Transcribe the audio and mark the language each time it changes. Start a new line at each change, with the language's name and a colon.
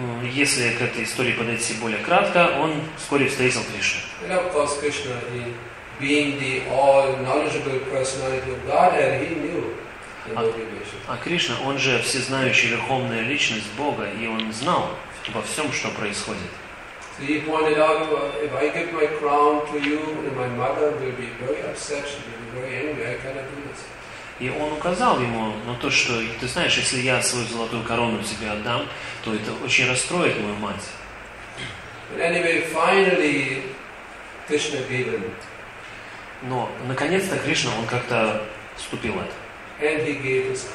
Russian: Если к этой истории подойти более кратко, он вскоре встретил Кришну.
English: Being the all-knowledgeable personality of Godhead, he knew the motivation.
Russian: А Кришна, он же всезнающая верховная личность Бога, и он знал обо всем, что происходит.
English: So he pointed out, if I give my crown to you, then my mother will be very upset. She will be very angry. I cannot do this.
Russian: И он указал ему на то, что ты знаешь, если я свою золотую корону тебе отдам, то это очень расстроит мою мать.
English: But anyway, finally, Krishna gave him.
Russian: Но, наконец-то, Кришна, он как-то вступил это.